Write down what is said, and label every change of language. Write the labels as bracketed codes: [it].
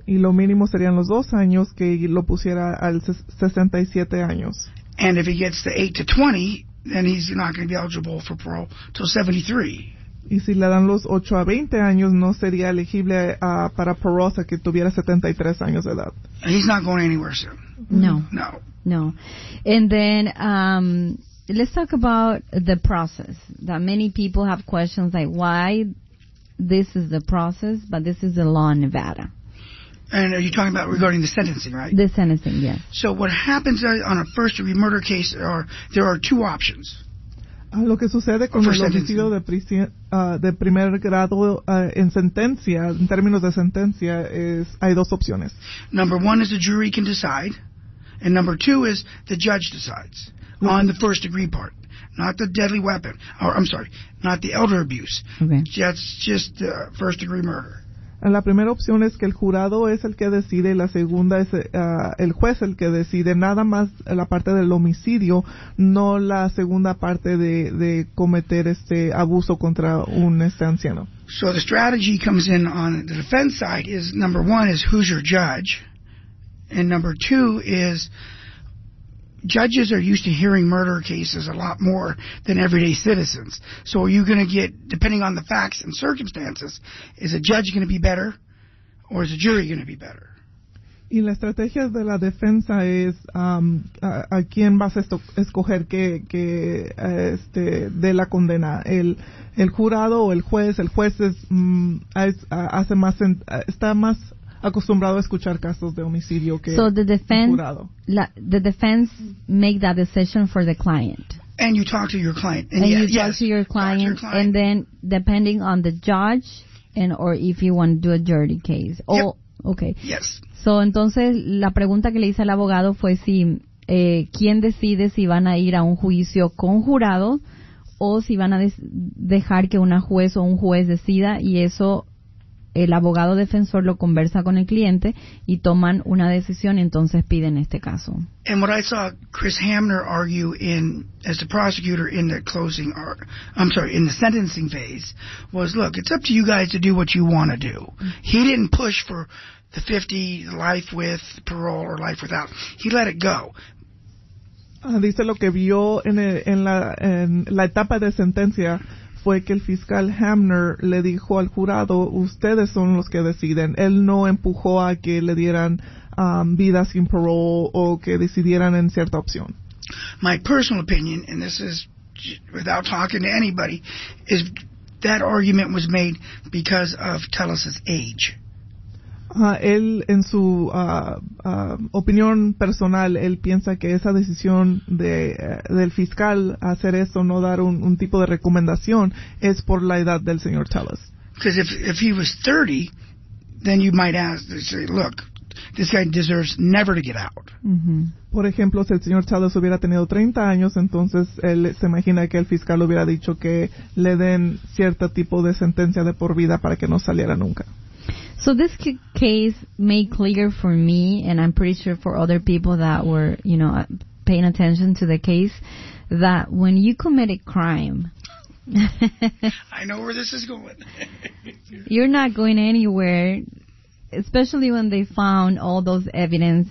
[es] Y lo mínimo serían los 2 años que lo pusiera al 67 años. [en] And if he gets the 8 to 20, then he's not going to be eligible for parole till 73. [es] Y si le dan los 8 a 20 años, no sería elegible para parole hasta que tuviera 73 años de edad. [en] And he's not going anywhere soon. No. And then, let's talk about the process that many people have questions like why this is the process, but this is the law in Nevada. And are you talking about regarding the sentencing, right? The sentencing, yes. So what happens on a first-degree murder case, there are two options. [es] Lo que sucede con el homicidio de primer grado en sentencia, en términos de sentencia, es hay dos opciones. [en] Number one is the jury can decide, and number two is the judge decides on the first degree part, not the deadly weapon, or I'm sorry, not the elder abuse. Okay. That's just first degree murder. [es] La primera opción es que el jurado es el que decide y la segunda es el juez el que decide, nada más la parte del homicidio, no la segunda parte de cometer este abuso contra un anciano. [en] So the strategy comes in on the defense side is number one is who's your judge, and number two is judges are used to hearing murder cases a lot more than everyday citizens. So are you going to get, depending on the facts and circumstances, is a judge going to be better or is a jury going to be better? [es] Y la estrategia de la defensa es a quién vas a escoger que este dé la condena, el jurado o el juez. El juez está más acostumbrado a escuchar casos de homicidio que [en] so the defense, jurado. The defense make that decision for the client. And you talk to your client. And you talk to your client. And then depending on the judge and or if you want to do a jury case. Yep. Oh, okay. Yes. [es] So entonces la pregunta que le hice al abogado fue si quién decide si van a ir a un juicio con jurado o si van a dejar que una juez o un juez decida y eso el abogado defensor lo conversa con el cliente y toman una decisión y entonces piden este caso. [en] And what I saw Chris Hamner argue in as the prosecutor in the closing in the sentencing phase was, look, it's up to you guys to do what you want to do. He didn't push for the 50 life with parole or life without. He let it go. [es] Dice lo que vio en la etapa de sentencia fue que el fiscal Hamner le dijo al jurado, ustedes son los que deciden. Él no empujó a que le dieran vida sin parole o que decidieran en cierta opción. [en] My personal opinion, and this is without talking to anybody, is that argument was made because of Tellis's age. [es] Él, en su opinión personal, él piensa que esa decisión del fiscal hacer eso, no dar un tipo de recomendación, es por la edad del señor Tellis. [en] Because if he was 30, then you might ask, say, look, this guy deserves never to get out. Mm-hmm. [es] Por ejemplo, si el señor Tellis hubiera tenido 30 años, entonces él se imagina que el fiscal hubiera dicho que le den cierto tipo de sentencia de por vida para que no saliera nunca. [en] So this case made clear for me, and I'm pretty sure for other people that were, you know, paying attention to the case, that when you commit a crime, I know where this is going. You're not going anywhere, especially when they found all those evidence.